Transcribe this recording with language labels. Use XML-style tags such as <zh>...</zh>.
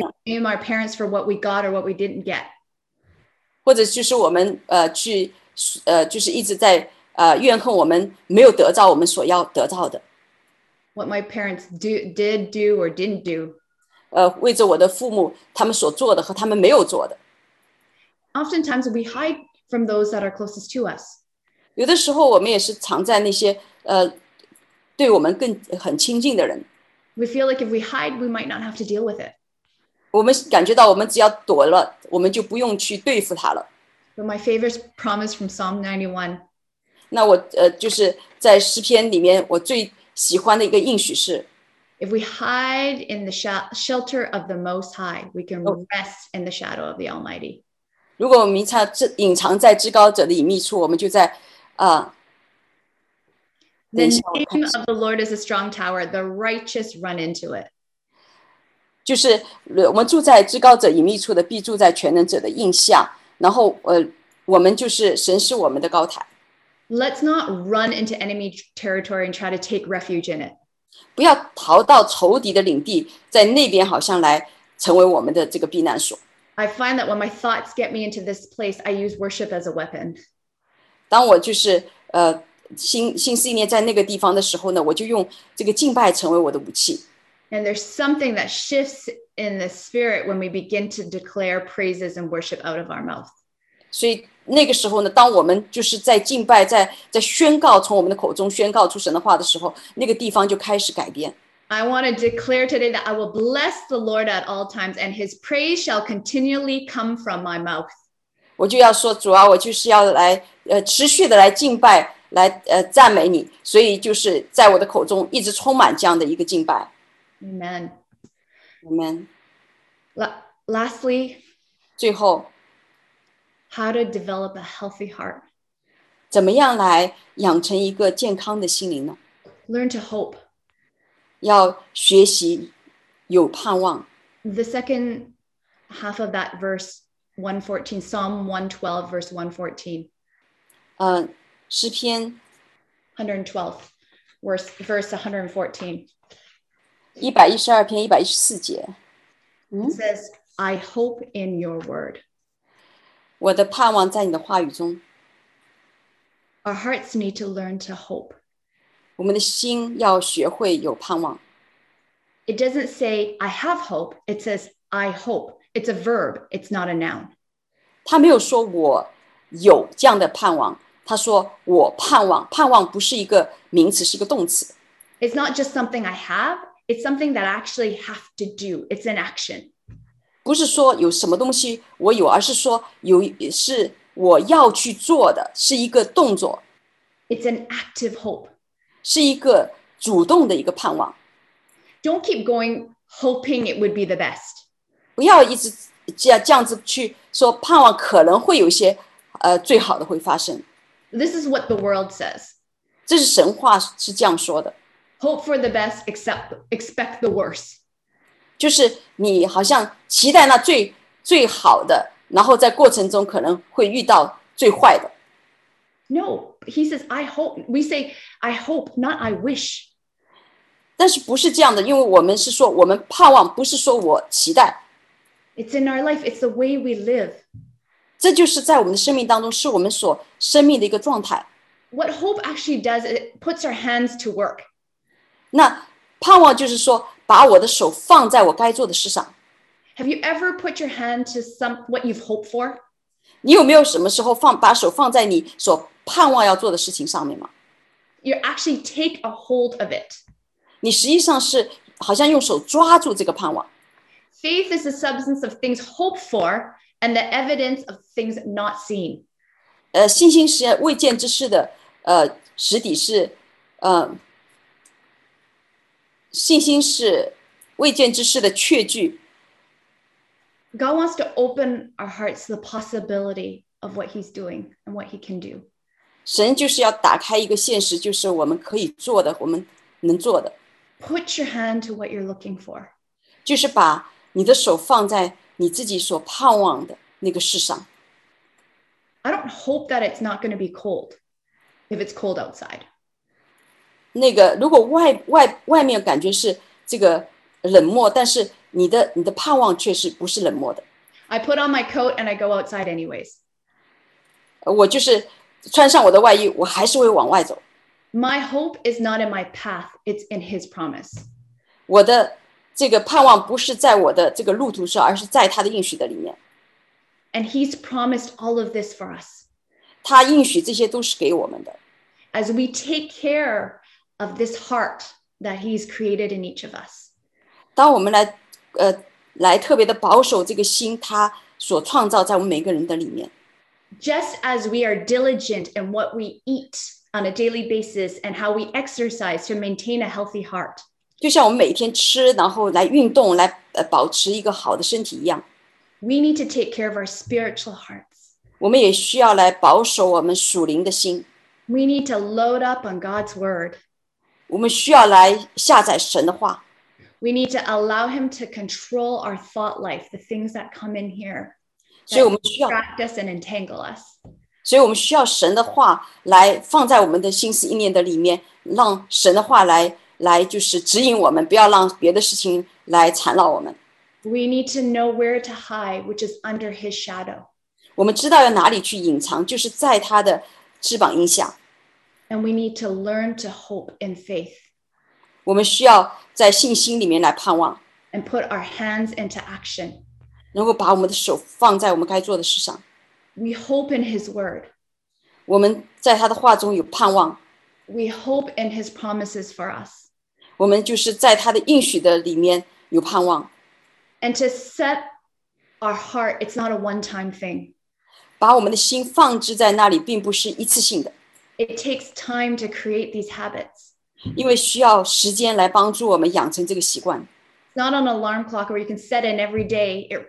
<en>Or blame our parents for what we got or what we didn't get.</en> <zh>或者就是我们去就是一直在怨恨我们没有得到我们所要得到的。</zh> <en>What my parents did do or didn't do.</en> <zh>为着我的父母他们所做的和他们没有做的。</zh> <en>Oftentimes we hide from those that are closest to us.</en> <zh>有的时候我们也是藏在那些对我们更很亲近的人。</zh> <en>We feel like if we hide, we might not have to deal with it.</en> <zh>我们感觉到我们只要躲了，我们就不用去对付他了。</zh> <en>But my favorite promise from Psalm 91.</en> <zh>那我就是在诗篇里面我最喜欢的一个应许是。</zh> <en>If we hide in the shelter of the Most High, we can rest in the shadow of the Almighty.</en> <zh>如果我们隐藏在至高者的隐秘处，我们就在</zh> <en>The name of the Lord is a strong tower. The righteous run into it.</en> <zh>就是我们住在至高者隐秘处的，必住在全能者的荫下。然后我们就是神是我们的高台。</zh> <en>Let's not run into enemy territory and try to take refuge in it.</en> <zh>不要逃到仇敌的领地，在那边好像来成为我们的这个避难所。</zh> <en>I find that when my thoughts get me into this place, I use worship as a weapon.</en> <zh>当我就是心思意念在那个地方的时候呢，我就用这个敬拜成为我的武器。</zh> <en>And there's something that shifts in the spirit when we begin to declare praises and worship out of our mouth.</en> <zh>所以那个时候呢，当我们就是在敬拜，在宣告，从我们的口中宣告出神的话的时候，那个地方就开始改变。</zh> <en>I want to declare today that I will bless the Lord at all times, and his praise shall continually come from my mouth.</en> <zh>我就要说，主啊，我就是要来持续的来敬拜。来赞美你，所以就是在我的口中一直充满这样的一个敬拜。</zh> <en>Amen. Amen. Lastly,</en> <zh>最后</zh> <en>how to develop a healthy heart?</en> <zh>怎么样来养成一个健康的心灵呢？</zh> <en>Learn to hope.</en> <zh>要学习有盼望。</zh> <en>The second half of that verse 114, Psalm 112, verse 114.</en> <zh>诗篇</zh> <en>112, verse 114.</en> <zh>112篇114节。</zh> <en>It says, I hope in your word.</en> <zh>我的盼望在你的话语中。</zh> <en>Our hearts need to learn to hope.</en> <zh>我们的心要学会有盼望。</zh> <en>It doesn't say, I have hope. It says, I hope. It's a verb. It's not a noun.</en> <zh>他没有说我有这样的盼望。他说我盼望，盼望不是一个名词，是一个动词。</zh> <en>It's not just something I have, it's something that I actually have to do. It's an action.</en> <zh>不是说有什么东西我有，而是说有，是我要去做的，是一个动作。</zh> <en>It's an active hope.</en> <zh>是一个主动的一个盼望。</zh> <en>Don't keep going hoping it would be the best.</en> <zh>不要一直这样子去说盼望可能会有一些最好的会发生。</zh> <en>This is what the world says.</en> <zh>这是神话是这样说的。</zh> <en>Hope for the best, expect the worst.</en> <zh>就是你好像期待那最好的，然后在过程中可能会遇到最坏的。</zh> <en>No, he says, I hope. We say, I hope, not I wish.</en> <zh>但是不是这样的，因为我们是说我们盼望，不是说我期待。</zh> <en>It's in our life, it's the way we live.</en> <zh>这就是在我们的生命当中，是我们所生命的一个状态。</zh> <en>What hope actually does, it puts our hands to work.</en> <zh>那盼望就是说把我的手放在我该做的事上。</zh> <en>Have you ever put your hand to some what you've hoped for?</en> <zh>你有没有什么时候放把手放在你所盼望要做的事情上面吗？</zh> <en>You actually take a hold of it.</en> <zh>你实际上是好像用手抓住这个盼望。</zh> <en>Faith is the substance of things hoped for and the evidence of things not seen.</en> <zh>信心是未见之事的实底是信心是未见之事的确据。</zh> <en>God wants to open our hearts to the possibility of what he's doing and what he can do.</en> <zh>神就是要打开一个现实，就是我们可以做的，我们能做的。</zh> <en>Put your hand to what you're looking for.</en> <zh>就是把你的手放在你自己所盼望的那个事上。</zh> <en>I don't hope that it's not going to be cold if it's cold outside.</en> <zh>那个如果外面感觉是这个冷漠，但是你的盼望却是不是冷漠的。</zh> <en>I put on my coat and I go outside anyways.</en> <zh>我就是穿上我的外衣，我还是会往外走。</zh> <en>My hope is not in my path, it's in his promise.</en> <zh>我的这个盼望不是在我的这个路途上，而是在他的应许的里面。</zh> <en>And he's promised all of this for us.</en> <zh>他应许这些都是给我们的。</zh> <en>As we take care of this heart that he's created in each of us.</en> <zh>当我们来特别的保守这个心，他所创造在我们每个人的里面。</zh> <en>Just as we are diligent in what we eat on a daily basis and how we exercise to maintain a healthy heart.</en> <zh>就像我们每天吃，然后来运动，来保持一个好的身体一样。</zh> <en>We need to take care of our spiritual hearts.</en> <zh>我们也需要来保守我们属灵的心。</zh> <en>We need to load up on God's word.</en> <zh>我们需要来下载神的话。</zh> <en>We need to allow him to control our thought life, the things that come in here that distract us and entangle us.</en> <zh>所以我们需要神的话来放在我们的心思意念的里面，让神的话来就是指引我们，不要让别的事情来缠绕我们。</zh> <en>We need to know where to hide, which is under his shadow.</en> <zh>我们知道要哪里去隐藏，就是在他的翅膀荫下。</zh> <en>And we need to learn to hope in faith.</en> <zh>我们需要在信心里面来盼望</zh> <en>，and put our hands into action，</en> <zh>能够把我们的手放在我们该做的事上。</zh> <en>We hope in His word，</en> <zh>我们在他的话中有盼望。</zh> <en>We hope in His promises for us，</en> <zh>我们就是在他的应许的里面有盼望。</zh> <en>And to set our heart， it's not a one-time thing，</en> <zh>把我们的心放置在那里并不是一次性的。</zh> <en>It takes time to create these habits。</en> <zh>因为需要时间来帮助我们养成这个习惯。</zh> <en>It's not an alarm clock where you can set in every day.</en>